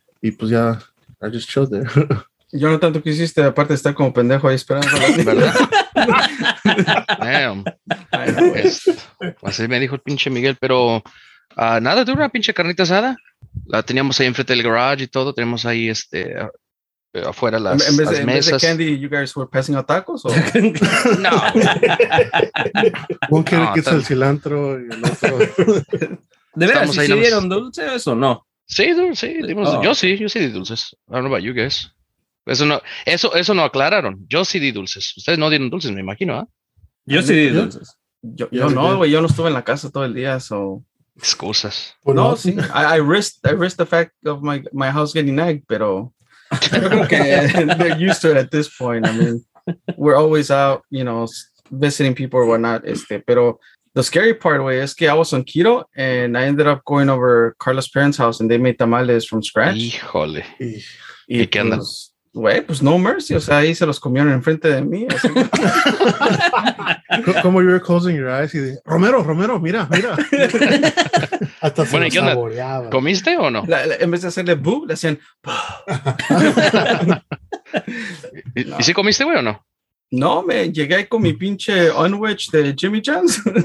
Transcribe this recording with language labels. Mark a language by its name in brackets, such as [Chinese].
[Spanish] Y pues ya, [English] I just chilled there. [Spanish] Yo no tanto quisiste, aparte de estar como pendejo ahí esperando. ¿Verdad? Damn. Así me dijo el pinche Miguel, pero nada, tuve una pinche carnita asada. La teníamos ahí enfrente del garage y todo. Tenemos ahí afuera las mesas. [English] En vez de candy, you guys were passing out tacos? [Spanish] ¿O? No. ¿Cómo quiere que sea el cilantro y el otro? ¿De veras, si dieron dulces o no? Sí, dulces. Yo sí di dulces. [English] I don't know about you guys. [Spanish] Eso no aclararon. Yo sí di dulces. Ustedes no dieron dulces, me imagino. ¿Eh? Yo sí di dulces. Yo no, güey. Yo no estuve en la casa todo el día, so... Excusas. Bueno, no, sí. [English] I risked the fact of my house getting egg, [Spanish] pero... [English] Okay, they're used to it at this point. I mean, we're always out, you know, visiting people or whatnot. Pero the scary part, güey, [Spanish] es que [English] I was on keto and I ended up going over Carlos' parents' house and they made tamales from scratch. [Spanish] Híjole. ¿Y qué andan? Güey, pues no mercy, o sea, ahí se los comieron enfrente de mí. Así. [English] Como you were closing your eyes [Spanish] y de, [English] Romero, mira. [Spanish] Hasta se bueno, los saboreaba. ¿Comiste o no? En vez de hacerle boo, le hacían. ¿Y si comiste, güey, o no? No, me llegué con mi pinche unwich de Jimmy John's.